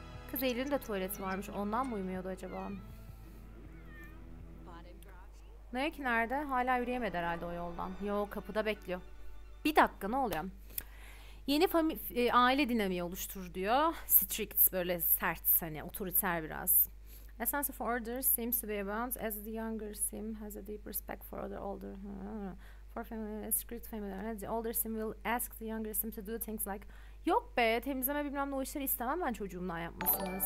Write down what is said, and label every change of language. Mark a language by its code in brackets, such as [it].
[tr] Kız Eylül'ün de tuvaleti varmış. Ondan mı uyumuyordu acaba? Nayaki nerede? Hala yürüyemedi herhalde o yoldan. Yo, kapıda bekliyor. Bir dakika ne oluyor? Yeni aile dinamiği oluştur diyor. Strict, böyle sert hani, otoriter biraz. [en] A sense of order seems to be abound as the younger sim has a deep respect for other older. For family, strict family. The older sim will ask the younger sim to do things like... [tr] Yok be, temizleme bilmem ne, o işleri istemem ben çocuğumdan yapmasını.